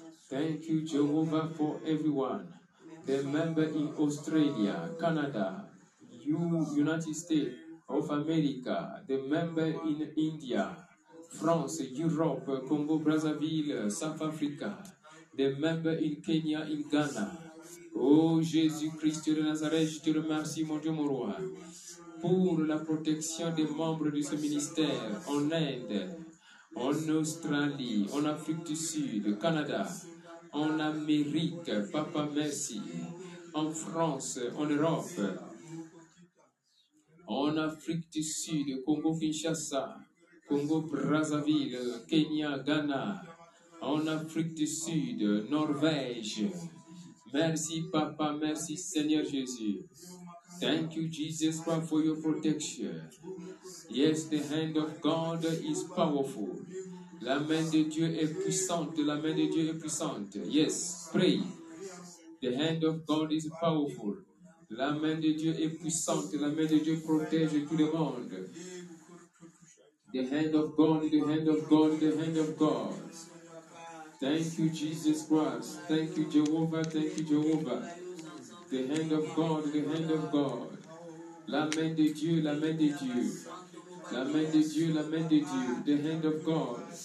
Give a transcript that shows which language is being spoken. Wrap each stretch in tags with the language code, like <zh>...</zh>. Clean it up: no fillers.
<en>Thank you, Jehovah, for everyone. The member in Australia, Canada, United States of America, the member in India, France, Europe, Congo, Brazzaville, South Africa, the member in Kenya, in Ghana.</en> <fr>Oh, Jésus-Christ de Nazareth, je te remercie, mon Dieu, mon roi, pour la protection des membres de ce ministère en Inde, en Australie, en Afrique du Sud, Canada, en Amérique, Papa, merci, en France, en Europe, en Afrique du Sud, Congo, Kinshasa, Congo, Brazzaville, Kenya, Ghana, en Afrique du Sud, Norvège. Merci, Papa, merci, Seigneur Jésus.</fr> <en>Thank you, Jesus Christ, for your protection. Yes, the hand of God is powerful.</en> <fr>La main de Dieu est puissante, la main de Dieu est puissante.</fr> <en>Yes, pray. The hand of God is powerful.</en> <fr>La main de Dieu est puissante, la main de Dieu protège tout le monde.</fr> <en>The hand of God, the hand of God, the hand of God. Thank you, Jesus Christ. Thank you, Jehovah. Thank you, Jehovah. The hand of God, the hand of God.</en> <fr>La main de Dieu, la main de Dieu. La main de Dieu, la main de Dieu.</fr> <en>The hand of God.</en>